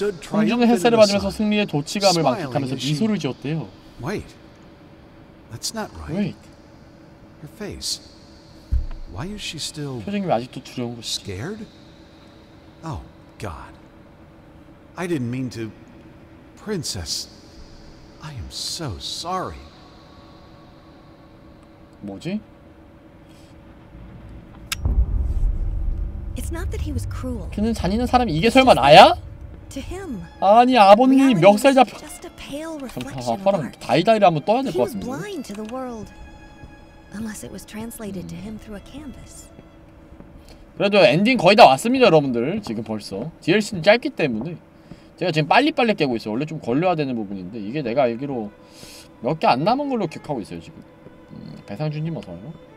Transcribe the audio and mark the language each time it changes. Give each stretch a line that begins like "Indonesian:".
Korean: 공중의 햇살을 받으면서 승리의 도취감을 만끽하면서 미소를 지었대요.
English: Wait. That's not right. Her face. Why is she still
Korean: 표정이 왜 아직도 두려운 것이지?
English: Scared? Oh God! I didn't mean to, Princess. I am so sorry.
Korean: 뭐지?
English: It's not that he was cruel.
Korean: 그는 잔인한 사람이 이게 설마 나야?
English: To him.
Korean: 아니 아버님 멱살 잡혀.
English: Just a pale reflection of our.
Korean: 다이다이를 한번 떠야 될 것 같은데.
English: He was blind to the world. Unless it was translated to him through a canvas.
Korean: 그래도 엔딩 거의 다 왔습니다, 여러분들. 지금 벌써 DLC는 짧기 때문에 제가 지금 빨리 깨고 있어요. 원래 좀 걸려야 되는 부분인데 이게 내가 알기로 몇 개 안 남은 걸로 기억하고 있어요 지금. 배상준님 어서요.